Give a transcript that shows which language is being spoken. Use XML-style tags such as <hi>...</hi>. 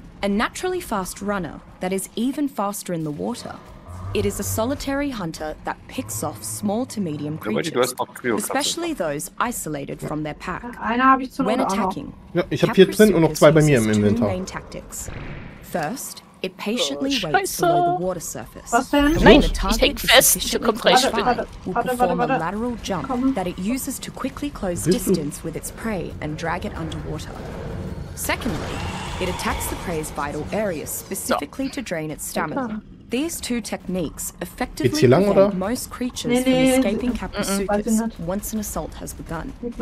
<en>A naturally fast runner that is even faster in the water, it is a solitary hunter that picks off small to medium creatures, especially those isolated from their pack. When attacking, Caprosuchus uses two main tactics. First, it patiently waits below the water surface.</en> <de>Nein, ich häng fest, ich komm gleich rein.</de> <en>Will perform a lateral jump that it uses to quickly close distance with its prey and drag it underwater. Secondly, it attacks the prey's vital areas specifically to drain its stamina. These two techniques effectively prevent most creatures from escaping Caprosuchus once an assault has begun.</en>